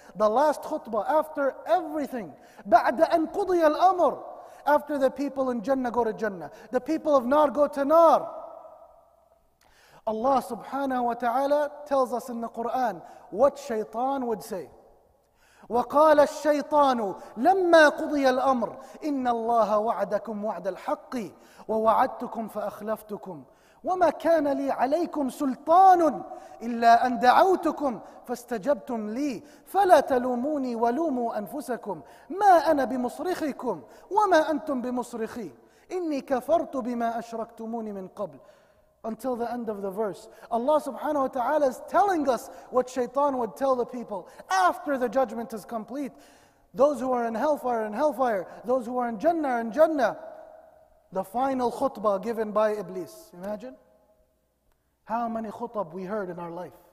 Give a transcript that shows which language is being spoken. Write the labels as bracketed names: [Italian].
[English] The last khutbah after everything. [Arabic] بَعْدَ أَنْ قُضِيَ الْأَمْرِ. [English] After the people in Jannah go to Jannah. The people of Nar go to Nar. Allah subhanahu wa ta'ala tells us in the Quran what shaitan would say. [Arabic] وقال الشيطان لما قضي الأمر إن الله وعدكم وعد الحق ووعدتكم فأخلفتكم وما كان لي عليكم سلطان إلا أن دعوتكم فاستجبتم لي فلا تلوموني ولوموا أنفسكم ما أنا بمصرخكم وما أنتم بمصرخي إني كفرت بما أشركتموني من قبل. [English] Until the end of the verse. Allah subhanahu wa ta'ala is telling us what shaitan would tell the people after the judgment is complete. Those who are in hellfire, in hellfire. Those who are in Jannah, in Jannah. The final khutbah given by Iblis. Imagine. How many khutab we heard in our life.